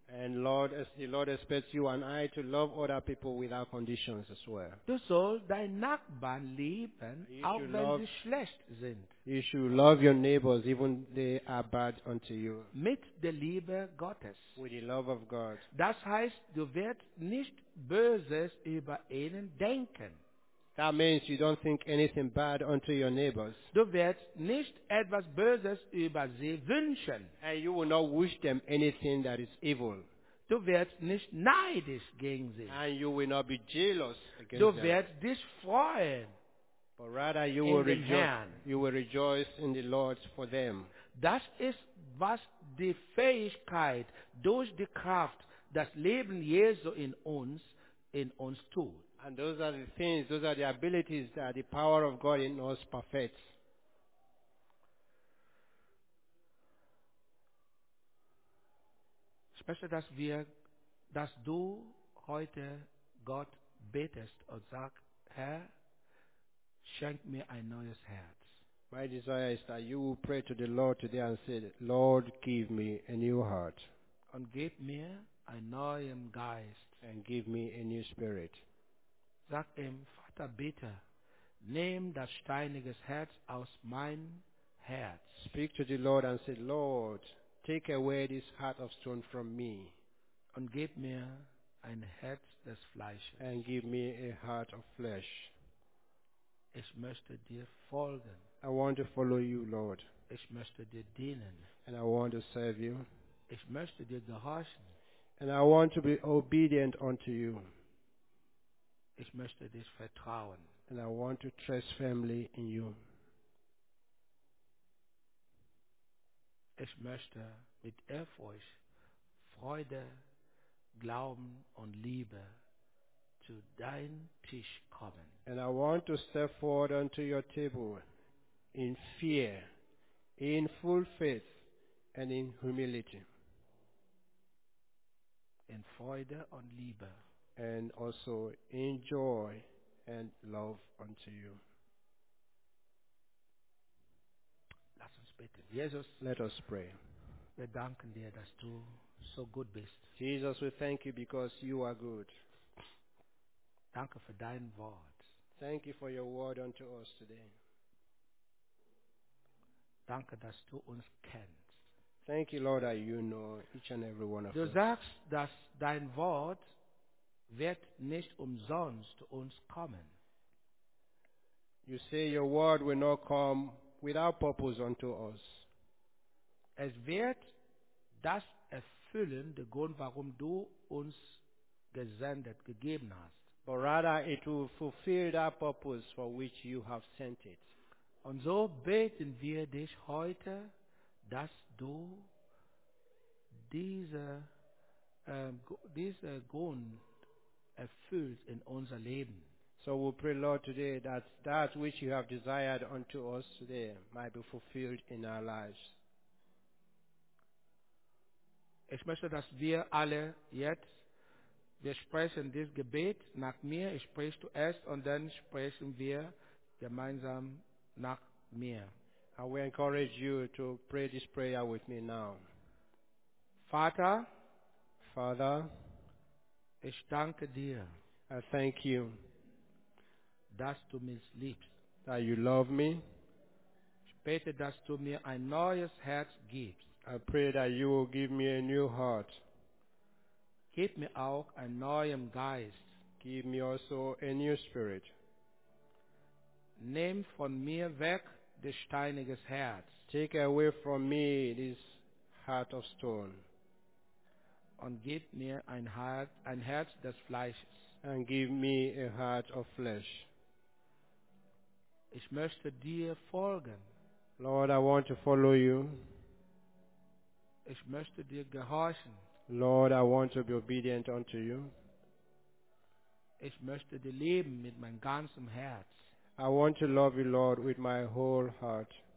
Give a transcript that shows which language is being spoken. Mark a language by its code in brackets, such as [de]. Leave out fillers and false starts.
[en] And Lord, as the Lord expects you and I to love other people without conditions as well. [de] Du sollst dein Nachbarn lieben, auch wenn sie schlecht sind. [en] You should love your neighbors, even they are bad unto you. [de] Mit der Liebe Gottes. [en] With the love of God. [de] Das heißt, du wirst nicht Böses über ihnen denken. [en] That means you don't think anything bad unto your neighbors. [de] Du wirst nicht etwas Böses über sie wünschen. [en] And you will not wish them anything that is evil. [de] Du wirst nicht neidisch gegen sie. [en] And you will not be jealous against them. [de] Du wirst dich freuen. [en] But rather you will rejoice in the Lord for them. [de] Das ist, was die Fähigkeit durch die Kraft, das Leben Jesu in uns tut. [en] And those are the things, those are the abilities that the power of God in us perfects. [de] Especially dass wir, dass du heute Gott betest und sagst, Herr, schenk mir ein neues Herz. [en] My desire is that you will pray to the Lord today and say, Lord, give me a new heart. [de] Und gib mir ein neuen Geist. [en] And give me a new spirit. [de] Sag ihm, Vater, bitte, nimm das steinige Herz aus meinem Herz. [en] Speak to the Lord and say, Lord, take away this heart of stone from me. [de] Und gib mir ein Herz des Fleisches. [en] And give me a heart of flesh. [de] Ich möchte dir folgen. [en] I want to follow you, Lord. [de] Ich möchte dir dienen. [en] And I want to serve you. [de] Ich möchte dir gehorchen. [en] And I want to be obedient unto you. [de] Ich möchte dich vertrauen. [en] And I want to trust firmly in you. [de] Ich möchte mit Ehrfurcht, Freude, Glauben und Liebe [en] to thine tish coming. And I want to step forward unto your table in fear, in full faith, and in humility. [de] In Freude und Liebe. [en] And also in joy and love unto you. [de] Lass uns beten. Jesus, [en] let us pray. [de] Wir danken dir, dass du so gut bist. [en] Jesus, we thank you because you are good. [de] Danke für dein Wort. [en] Thank you for your word unto us today. [de] Danke, dass du uns kennst. [en] Thank you, Lord, that you know each and every one of [de] du [en] us. [de] Du sagst, dass dein Wort wird nicht umsonst uns kommen. [en] You say your word will not come without purpose unto us. [de] Es wird das erfüllen, den Grund, warum du uns gesendet, gegeben hast. [en] But rather it will fulfill that purpose for which you have sent it. [de] Und so beten wir dich heute, dass du diese Grund erfüllst in unser Leben. [en] So we pray, Lord, today that which you have desired unto us today might be fulfilled in our lives. [de] Ich möchte, dass wir alle jetzt, wir sprechen dieses Gebet nach mir, ich spreche zuerst und dann sprechen wir gemeinsam nach mir. [en] I will encourage you to pray this prayer with me now. [de] Vater, [en] Father, [de] ich danke dir, [en] I thank you, [de] dass du mich liebst, [en] that you love me. [de] Ich bete, dass du mir ein neues Herz gibst. [en] I pray that you will give me a new heart. [de] Gib mir auch einen neuen Geist. [en] Give me also a new spirit. [de] Nimm von mir weg das steinige Herz. [en] Take away from me this heart of stone. [de] Und gib mir ein Herz des Fleisches. [en] And give me a heart of flesh. [de] Ich möchte dir folgen. [en] Lord, I want to follow you. [de] Ich möchte dir gehorchen. [en] Lord, I want to be obedient unto you. [de] Ich möchte dir leben mit meinem ganzen Herz. [en] I want to love you, Lord, with my whole heart.